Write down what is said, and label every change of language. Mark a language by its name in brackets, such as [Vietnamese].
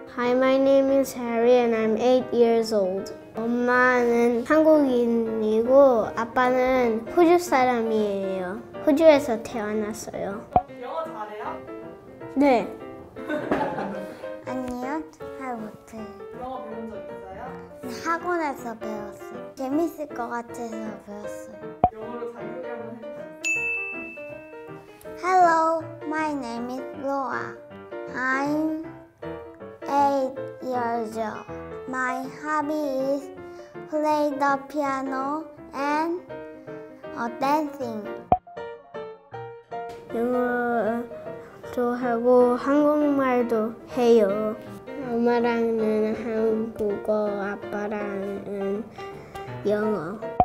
[English] Hi, my name is Harry and I'm 8 years old. [Korean] 엄마는 한국인이고 아빠는 호주 사람이에요. 호주에서 태어났어요. 영어 잘해요? 네. 아니요, 잘 못해요. 영어 배운 적 있어요? 학원에서 배웠어요. 재밌을 것 같아서 배웠어요. 영어로 자기소개 한번 해주세요. [English] Hello, my name is Noah. I'm 8 years old. My hobby is play the piano and dancing. [Korean] 영어도 하고 한국말도 해요. 엄마랑은 한국어, 아빠랑은 영어.